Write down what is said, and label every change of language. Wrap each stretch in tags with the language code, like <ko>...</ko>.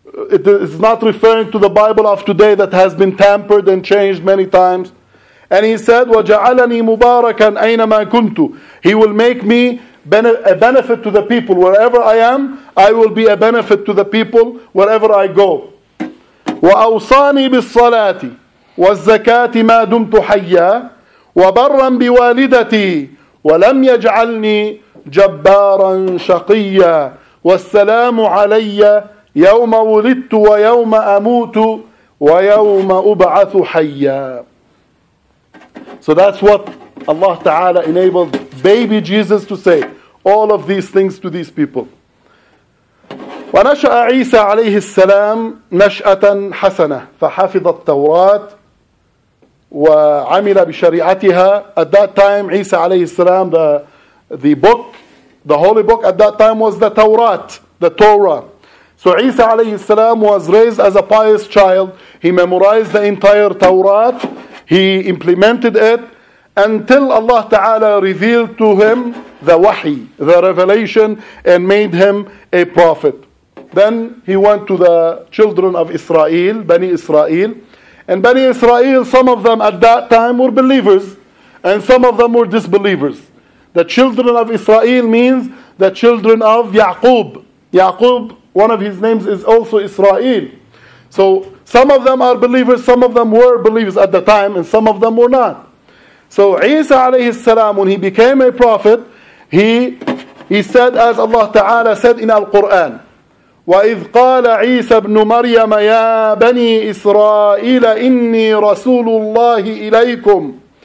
<en>It is not referring to the Bible of today that has been tampered and changed many times. And he said,</en> <ar>وَجَعَلَنِي مُبَارَكًا أَيْنَمَا كُنْتُ.</ar> <en>He will make me a benefit to the people. Wherever I am, I will be a benefit to the people wherever I go.</en> <ar>وَأَوْصَانِي بِالصَّلَاةِ وَالزَّكَاةِ مَا دُمْتُ حَيَّا وَبَرًّا بِوَالِدَتِي وَلَمْ يَجْعَلْنِي جَبَّارًا شَقِيًّا والسلام علي يوم ولدت ويوم أموت ويوم أبعث حيا.</ar> <en>So that's what Allah Ta'ala enabled baby Jesus to say. All of these things to these people.</en> <ar>ونشأ عيسى عليه السلام نشأة حسنة فحفظ التوراة وعمل بشريعتها.</ar> <en>At that time</en> <ar>عيسى عليه السلام,</ar> <en>the book, the holy book at that time was the Torah, the Torah. So Isa alayhi salam was raised as a pious child. He memorized the entire Torah. He implemented it until Allah Ta'ala revealed to him the wahi, the revelation, and made him a prophet. Then he went to the children of Israel, Bani Israel. And Bani Israel, some of them at that time were believers, and some of them were disbelievers. The children of Israel means the children of Yaqub. Yaqub, one of his names is also Israel. So some of them are believers, some of them were believers at the time, and some of them were not. So Isa alayhi salam, when he became a prophet, he said, as Allah Ta'ala said in Al-Quran,</en> <ar>وَإِذْ قَالَ عِيسَى بْنُ مَرْيَمَ يَا بَنِي إِسْرَائِيلَ إِنِّي رَسُولُ اللَّهِ إِلَيْكُمْ</ar>